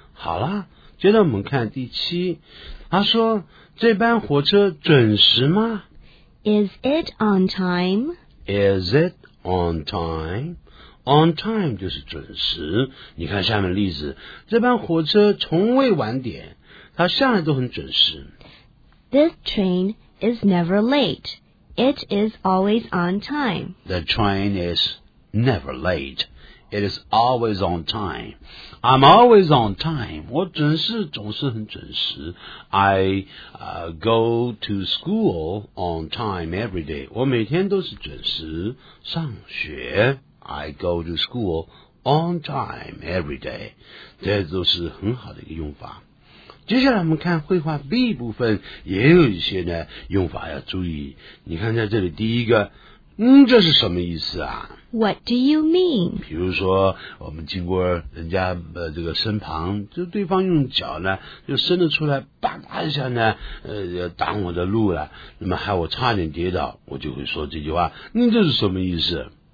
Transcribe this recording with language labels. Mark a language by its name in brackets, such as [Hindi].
[Chinese] 好啦，接着我们看第七，他说这班火车准时吗？ [English] Is it on time? Is it on time? [Chinese] On time 就是准时。你看下面例子，这班火车从未晚点，它向来都很准时。 [English] This train is never late. It is always on time. The train is never late. It is always on time. I'm always on time. [Chinese] 我准时总是很准时。 [English] I go to school on time every day. [Chinese] 我每天都是准时上学。 [English] I go to school on time every day. [Chinese] 这都是很好的一个用法。接下来我们看绘画 B 部分，也有一些呢用法要注意。你看在这里第一个，这是什么意思啊？ [English] What do you mean? [Chinese] 比如说我们经过人家这个身旁，就对方用脚呢就伸得出来，啪啪一下呢挡我的路了，那么害我差点跌倒，我就会说这句话，这是什么意思？